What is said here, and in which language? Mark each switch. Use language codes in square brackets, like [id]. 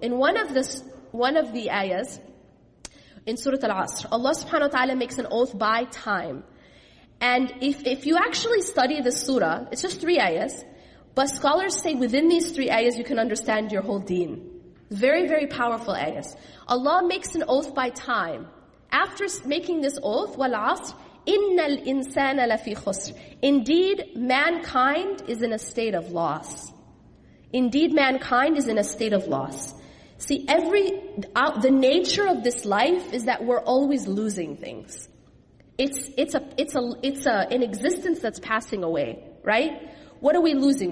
[en] In one of the ayahs, in Surah Al-Asr, Allah subhanahu wa ta'ala makes an oath by time. And if you actually study the surah, it's just three ayahs, but scholars say within these three ayahs you can understand your whole deen. Very, very powerful ayahs. Allah makes an oath by time. After making this oath, [ar] وَالْعَصْرِ إِنَّ الْإِنسَانَ لَفِي خُسْرٍ. [en] Indeed, mankind is in a state of loss. Indeed, mankind is in a state of loss. See, the nature of this life is that we're always losing things. It's an existence that's passing away, right? What are we losing?